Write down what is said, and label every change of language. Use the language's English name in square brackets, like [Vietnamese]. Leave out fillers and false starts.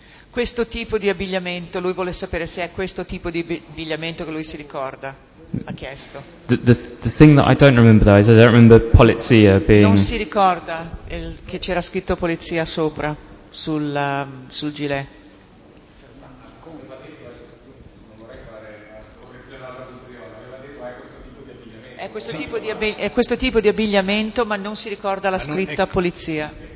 [Italian] Questo tipo di abbigliamento, lui vuole sapere se è questo tipo di abbigliamento che lui si ricorda. [English] The thing that I don't remember though is I don't remember polizia being. [Italian] Non si ricorda che c'era scritto polizia sopra sul gilet. È questo tipo di abbigliamento, ma non si ricorda la scritta polizia.